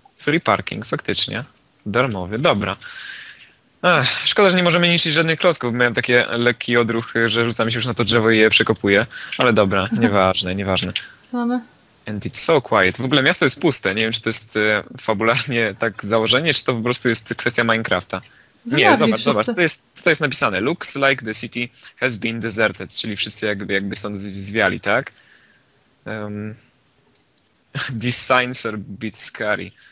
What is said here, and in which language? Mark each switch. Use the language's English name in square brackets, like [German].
[English] Free parking, [Polish] faktycznie. Darmowy, dobra. Ach, szkoda, że nie możemy niszczyć żadnych klocków, bo miałem taki lekki odruch, że rzucam się już na to drzewo i je przekopuję. Ale dobra, nieważne. Co mamy? [English] And it's so quiet. [Polish] W ogóle miasto jest puste. Nie wiem, czy to jest fabularnie tak założenie, czy to po prostu jest kwestia Minecrafta. Wydawi nie, zobacz, wszyscy. Zobacz. Tutaj jest napisane. [English] Looks like the city has been deserted. [Polish] Czyli wszyscy jakby stąd zwiali, tak? [English] These signs are a bit scary.